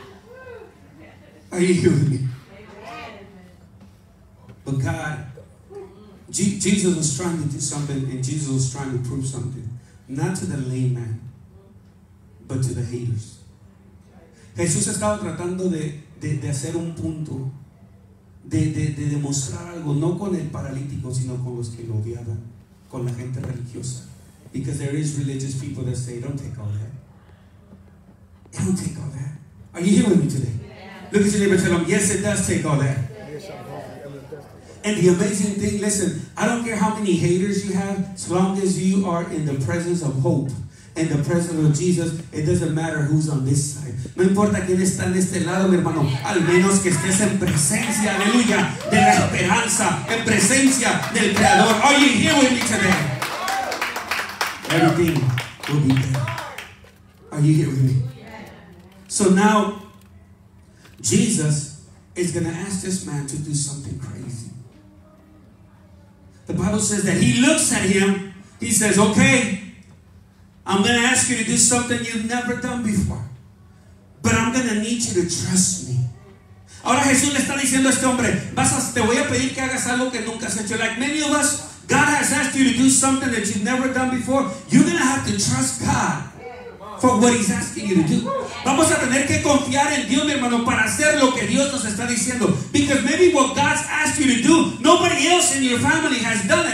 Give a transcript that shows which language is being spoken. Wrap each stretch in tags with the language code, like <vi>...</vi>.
<en>Hallelujah. Are you hearing me? But God, Jesus was trying to do something, and Jesus was trying to prove something, not to the lame man, but to the haters.</en> <es>Jesús estaba tratando de hacer un punto, de demostrar algo, no con el paralítico, sino con los que lo odiaban, con la gente religiosa.</es> <en>Because there is religious people that say, don't take all that. Don't take all that. Are you here with me today? Look at your neighbor and tell him, yes, it does take all that. And the amazing thing, listen, I don't care how many haters you have, as long as you are in the presence of hope and the presence of Jesus, it doesn't matter who's on this side.</en> <es>No importa quién está en este lado, mi hermano, al menos que estés en presencia, aleluya, de la esperanza, en presencia del Creador.</es> <en>Are you here with me today? Everything will be better. Are you here with me? So now, Jesus is going to ask this man to do something crazy. The Bible says that he looks at him. He says, okay, I'm going to ask you to do something you've never done before. But I'm going to need you to trust me.</en> <es>Ahora Jesús le está diciendo a este hombre, te voy a pedir que hagas algo que nunca has hecho.</es> <en>Like many of us, God has asked you to do something that you've never done before. You're going to have to trust God for what he's asking you to do.</en> <es>Vamos a tener que confiar en Dios, mi hermano, para hacer lo que Dios nos está diciendo.</es> <en>Because maybe what God's asked you to do, nobody else in your family has done it.</en>